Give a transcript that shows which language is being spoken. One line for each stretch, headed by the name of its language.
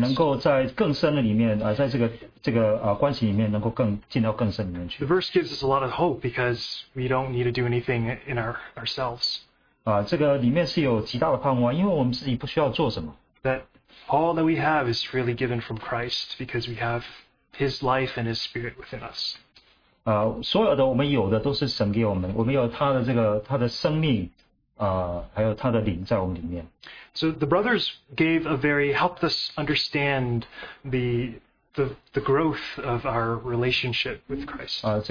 Chinese: 能够在更深的里面，在这个关系里面，能够进到更深里面去。
English: The verse gives us a lot of hope because we don't need to do anything in ourselves.
Chinese: 这个里面是有极大的盼望，因为我们自己不需要做什么。
English: That all that we have is freely given from Christ because we have His life and His Spirit within us.
Chinese: 所有的我们有的都是神给我们，我们有他的这个他的生命。
English: So the brothers helped us understand the growth of our relationship with Christ.